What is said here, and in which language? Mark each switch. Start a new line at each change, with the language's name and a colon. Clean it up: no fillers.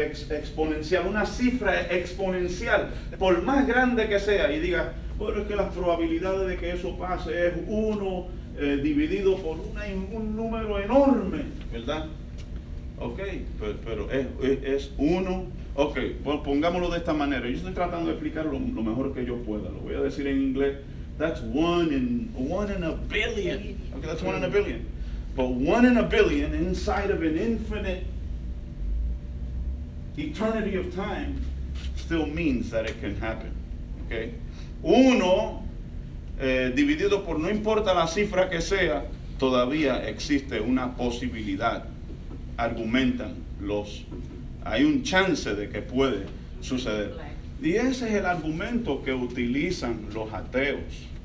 Spanish: Exponencial, una cifra exponencial, por más grande que sea, y diga, bueno, es que las probabilidades de que eso pase es 1 dividido por un número enorme, ¿verdad? Ok, pero es 1. Ok,
English: well,
Spanish: pongámoslo de esta manera. Yo estoy tratando de explicarlo lo mejor que yo pueda. Lo voy a decir en inglés.
English: That's one in a billion. Ok, that's one in a billion. But one in a billion inside of an infinite eternity of time still means that it can happen. Ok.
Spanish: Uno dividido por no importa la cifra que sea, todavía existe una posibilidad. Argumentan los... Hay un chance de que puede suceder. Y ese es el argumento que utilizan los ateos.